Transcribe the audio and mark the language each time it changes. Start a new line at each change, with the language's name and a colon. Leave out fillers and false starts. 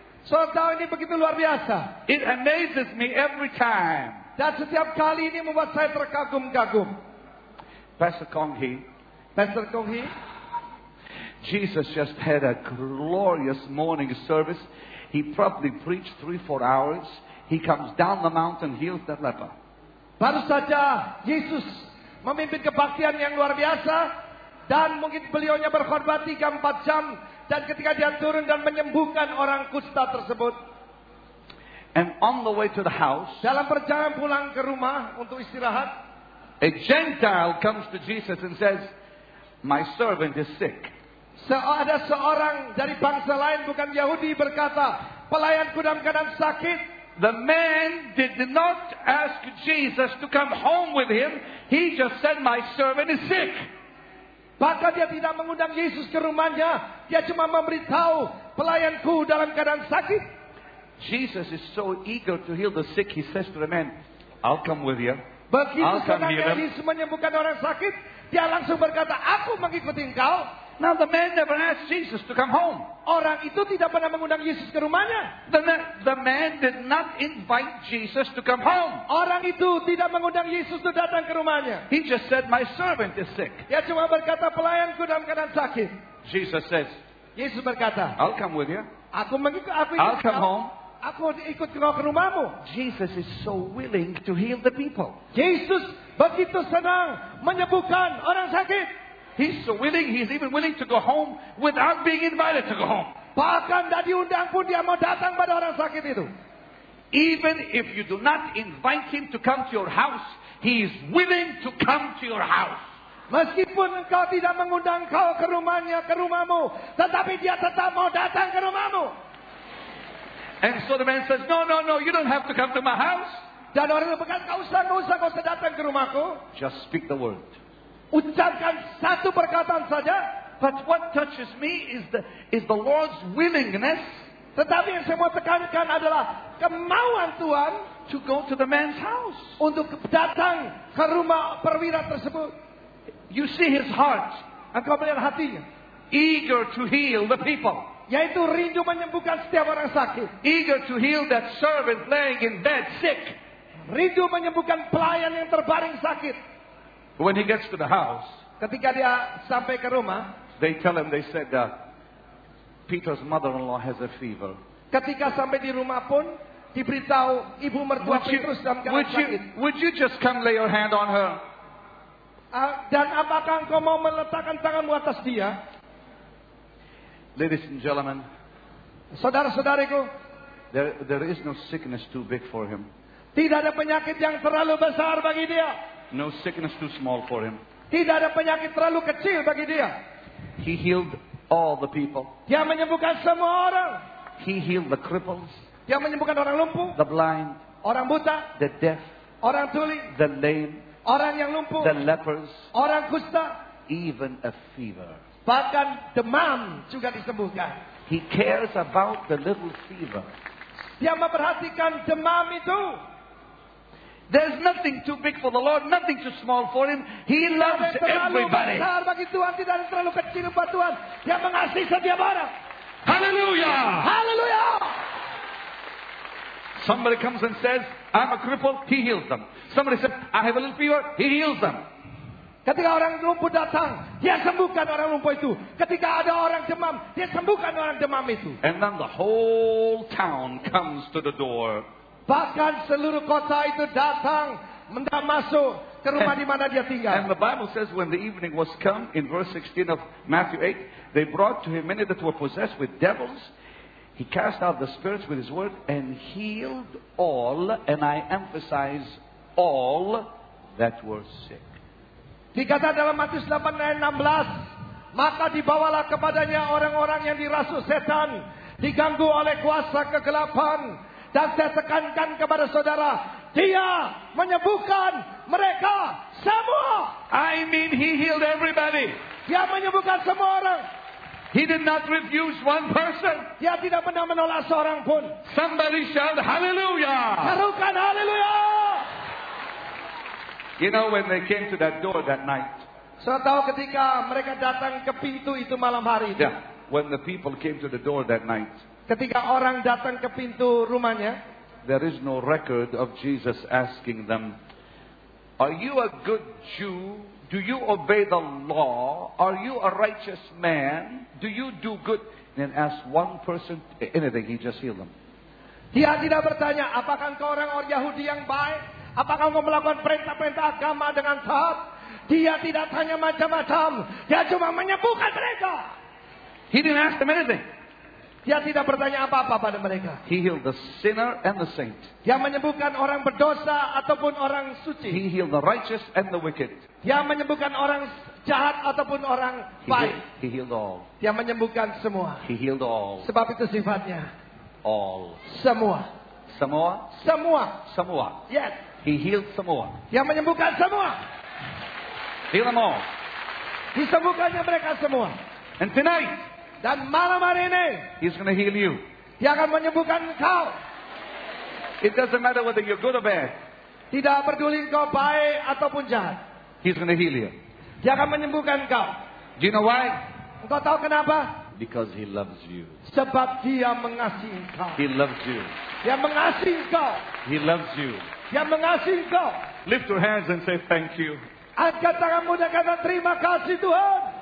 Indonesian: Soal tahu ini begitu luar biasa.
English: It amazes me every time.
Indonesian: Dan setiap kali ini membuat saya terkagum-kagum. Pastor Kong Hee.
English: Jesus just had a glorious morning service. He probably preached 3-4 hours. He comes down the mountain, heals that leper.
Indonesian: Baru saja Yesus memimpin kebaktian yang luar biasa. Dan mungkin beliaunya berkhotbah 3-4 jam. Dan ketika dia turun dan menyembuhkan orang kusta tersebut.
English: And on the way to the house,
Indonesian: dalam perjalanan pulang ke rumah untuk istirahat,
English: a Gentile comes to Jesus and says, "My servant is sick."
Indonesian: Ada seorang dari bangsa lain, bukan Yahudi, berkata, "Pelayanku dalam keadaan sakit."
English: The man did not ask Jesus to come home with him. He just said, "My servant is sick."
Indonesian: Bahkan dia tidak mengundang Yesus ke rumahnya. Dia cuma memberitahu, "Pelayanku dalam keadaan sakit."
English: Jesus is so eager to heal the sick, he says to the man, "I'll come with you."
Indonesian: Begitu senangnya Yesus menyembuhkan orang sakit, dia langsung berkata, "Aku mengikuti engkau."
English: Now the man never asked Jesus to come home.
Indonesian: Orang itu tidak pernah mengundang Yesus ke rumahnya.
English: The man did not invite Jesus to come home.
Indonesian: Orang itu tidak mengundang Yesus untuk datang ke rumahnya.
English: He just said, "My servant is sick."
Indonesian: Dia cuma berkata, "Pelayanku dalam keadaan sakit."
English: Jesus says,
Indonesian: Yesus berkata,
English: "I'll come with you.
Indonesian: Aku mengikut, aku
English: I'll come
Indonesian: kau,
English: home.
Indonesian: Aku ikut kau ke rumahmu."
English: Jesus is so willing to heal the people.
Indonesian: Yesus begitu senang menyembuhkan orang sakit.
English: He's so willing, he's even willing to go home without being invited to go home.
Indonesian: Bahkan tidak diundang pun dia mau datang pada orang sakit itu.
English: Even if you do not invite him to come to your house, he is willing to come to your house.
Indonesian: Meskipun engkau tidak mengundang kau ke rumahnya, ke rumahmu, tetapi dia tetap mau datang ke rumahmu.
English: And so the man says, no, you don't have to come to my house.
Indonesian: Dan orang itu berkata, kau usah datang ke rumahku.
English: Just speak the word.
Indonesian: Ucapkan satu perkataan saja.
English: But what touches me is the Lord's willingness.
Indonesian: Tetapi yang saya mau tekankan adalah kemauan Tuhan
English: to go to the man's house.
Indonesian: Untuk datang ke rumah perwira tersebut.
English: You see his heart.
Indonesian: Engkau melihat hatinya.
English: Eager to heal the people.
Indonesian: Yaitu rindu menyembuhkan setiap orang sakit.
English: Eager to heal that servant laying in bed sick.
Indonesian: Rindu menyembuhkan pelayan yang terbaring sakit.
English: When he gets to the house,
Indonesian: ketika dia sampai ke rumah,
English: they tell him, they said that Peter's mother-in-law has a fever.
Indonesian: Ketika sampai di rumah pun, diberitahu ibu mertua Petrus dalam keadaan sakit.
English: Would you just come lay your hand on her?
Indonesian: Dan apakah engkau mau meletakkan tanganmu atas dia?
English: Ladies and gentlemen,
Indonesian: saudara-saudariku,
English: there is no sickness too big for him.
Indonesian: Tidak ada penyakit yang terlalu besar bagi dia.
English: No sickness too small for him.
Indonesian: Tidak ada penyakit terlalu kecil bagi dia.
English: He healed all the people.
Indonesian: Dia menyembuhkan semua orang.
English: He healed the cripples.
Indonesian: Dia menyembuhkan orang lumpuh.
English: The blind.
Indonesian: Orang buta.
English: The deaf.
Indonesian: Orang tuli.
English: The lame.
Indonesian: Orang yang lumpuh.
English: The lepers.
Indonesian: Orang kusta.
English: Even a fever.
Indonesian: Bahkan demam juga disembuhkan.
English: He cares about the little fever.
Indonesian: Dia memperhatikan demam itu.
English: There's nothing too big for the Lord, nothing too small for him. He loves everybody.
Indonesian: Tidak besar bagi Tuhan, tidak terlalu kecil buat Tuhan. Dia mengasihi setiap orang. Hallelujah! Hallelujah!
English: Somebody comes and says, "I'm a cripple," he heals them. Somebody says, "I have a little fever," he heals them.
Indonesian: Ketika orang lumpuh datang, dia sembuhkan orang lumpuh itu. Ketika ada orang demam, dia sembuhkan orang demam itu.
English: And then the whole town comes to the door.
Indonesian: Bahkan seluruh kota itu datang mendak masuk ke rumah di mana dia tinggal.
English: And the Bible says when the evening was come, in verse 16 of Matthew 8, they brought to him many that were possessed with devils. He cast out the spirits with his word and healed all, and I emphasize all, that were sick.
Indonesian: Dikata dalam Matius 8 ayat 16, maka dibawalah kepadanya orang-orang yang dirasuk setan, diganggu oleh kuasa kegelapan, dan saya tekankan kepada saudara, dia menyembuhkan mereka semua.
English: I mean, he healed everybody.
Indonesian: Dia menyembuhkan semua orang.
English: He did not refuse one person.
Indonesian: Dia tidak pernah menolak seorang pun.
English: Somebody shout hallelujah.
Indonesian: Serukan hallelujah.
English: You know when they came to that door that night.
Indonesian: Saya tahu ketika mereka datang ke pintu itu malam hari.
English: Yeah, when the people came to the door that night.
Indonesian: Ketika orang datang ke pintu rumahnya.
English: there is no record of Jesus asking them, "Are you a good Jew? Do you obey the law? Are you a righteous man? Do you do good?" And ask one person anything, he just healed them.
Indonesian: Dia tidak bertanya, apakah engkau orang Yahudi yang baik? Apakah engkau melakukan perintah-perintah agama dengan taat? Dia tidak tanya macam-macam. Dia cuma menyembuhkan mereka.
English: He didn't ask them anything.
Indonesian: Dia tidak bertanya apa-apa pada mereka.
English: He healed the sinner and the saint.
Indonesian: Dia menyembuhkan orang berdosa ataupun orang suci.
English: He healed the righteous and the wicked.
Indonesian: Dia menyembuhkan orang jahat ataupun orang baik.
English: He healed all.
Indonesian: Dia menyembuhkan semua.
English: He healed all.
Indonesian: Sebab itu sifatnya.
English: All.
Indonesian: Semua. Semua. Semua. Semua.
English: Yes. He healed
Indonesian: semua. Dia menyembuhkan semua.
English: Heal them all.
Indonesian: Disembuhkannya mereka semua.
English: And tonight.
Indonesian: Dan malam hari ini.
English: He's going to heal you.
Indonesian: Dia akan menyembuhkan kau.
English: It doesn't matter whether you're good or bad.
Indonesian: Tidak peduli kau baik ataupun jahat.
English: He's going to heal you.
Indonesian: Dia akan menyembuhkan kau.
English: Do you know why?
Indonesian: Kau tahu kenapa?
English: Because he loves you.
Indonesian: Sebab dia mengasihi kau.
English: He loves you.
Indonesian: Dia mengasihi kau.
English: He loves you.
Indonesian: Dia mengasihi kau.
English: Lift your hands and say thank you.
Indonesian: Angkat tanganmu dan kata terima kasih Tuhan.